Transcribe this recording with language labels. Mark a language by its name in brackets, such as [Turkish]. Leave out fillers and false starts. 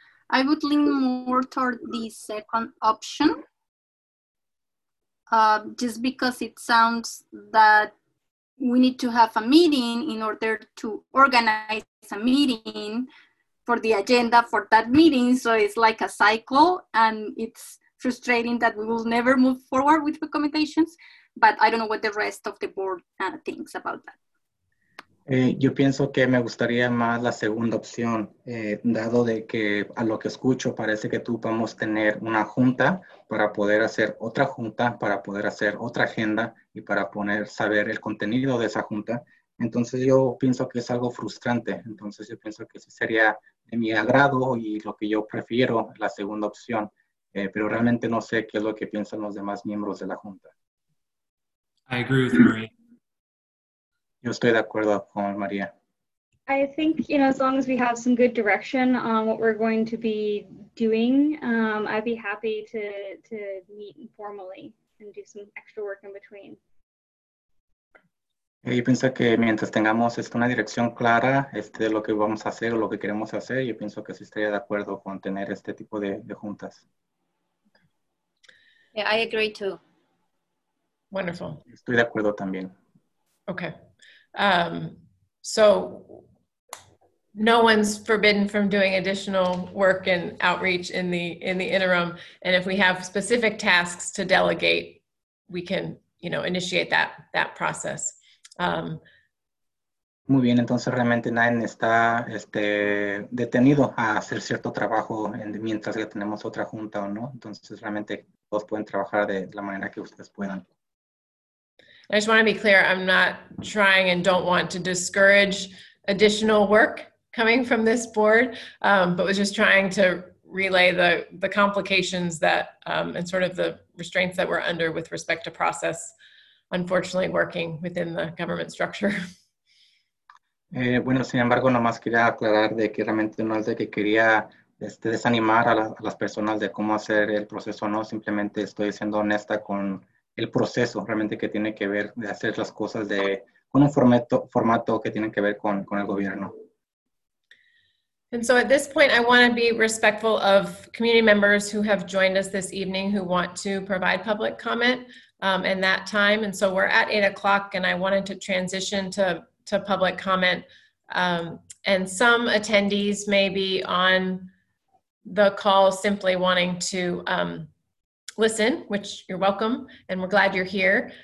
[English] I would lean more toward the second option. Just because it sounds that we need to have a meeting in order to organize a meeting for the agenda for that meeting. So it's like a cycle, and it's frustrating that we will never move forward with recommendations, but I don't know what the rest of the board thinks about that. [Spanish] Yo pienso que me gustaría más la segunda opción, dado de que a lo que escucho parece que tú vamos a tener una junta para poder hacer otra junta, para poder hacer otra agenda y para poner saber el contenido de esa junta. Entonces yo pienso que es algo frustrante. Entonces yo pienso que sí sería de mi agrado y lo que yo prefiero, la segunda opción. Pero realmente no sé qué es lo que piensan los demás miembros de la Junta. [English] I agree with Maria. [Spanish] Yo estoy de acuerdo con María. [English] I think, you know, as long as we have some good direction on what we're going to be doing, I'd be happy to meet informally and do some extra work in between. [Spanish] Yo pienso que mientras tengamos una dirección clara de lo que vamos a hacer o lo que queremos hacer, yo pienso que sí estaría de acuerdo con tener este tipo de juntas. [English] Yeah, I agree too. Wonderful. [Spanish] Estoy de acuerdo también. [English] Okay. So no one's forbidden from doing additional work and outreach in the interim. And if we have specific tasks to delegate, we can, you know, initiate that process. [Spanish] Muy bien, entonces realmente nadie está detenido a hacer cierto trabajo mientras que tenemos otra junta o no. Entonces realmente todos pueden trabajar de la manera que ustedes puedan. [English] I just want to be clear, I'm not trying and don't want to discourage additional work coming from this board, but was just trying to relay the complications that and sort of the restraints that we're under with respect to process. Unfortunately, working within the government structure. [Spanish] Bueno, sin embargo, nomás quería aclarar de que realmente no es de que quería desanimar a las personas de cómo hacer el proceso, no. Simplemente estoy siendo honesta con el proceso, realmente que tiene que ver de hacer las cosas con un formato que tiene que ver con el gobierno. [English] And so at this point, I want to be respectful of community members who have joined us this evening who want to provide public comment in that time. And so we're at 8 o'clock and I wanted to transition to public comment. And some attendees may be on the call simply wanting to listen, which you're welcome and we're glad you're here.